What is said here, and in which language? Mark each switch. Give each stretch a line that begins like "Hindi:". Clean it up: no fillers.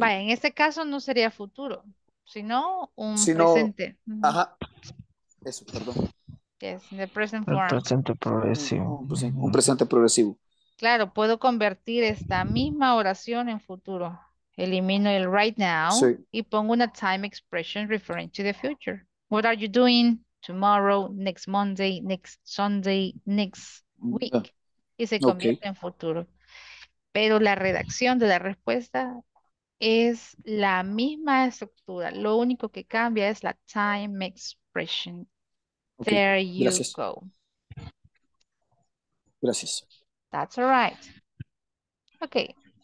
Spanish: Vaya, en este caso no sería futuro, sino un presente. Uh-huh. Ajá. Eso, perdón.
English: Yes, in the present form.
Spanish: Un presente progresivo. Un presente progresivo. Claro, puedo convertir esta misma oración en futuro. Elimino el right now, sí, y pongo una
English: time expression referring to the future. What are you doing tomorrow, next Monday, next Sunday, next week?
Spanish: Y se convierte, okay, en futuro. Pero la redacción de la respuesta es la misma estructura. Lo único que cambia es la time expression. Okay.
English: There you,
Spanish: gracias,
English: go.
Spanish: Gracias.
English: That's all right. Okay.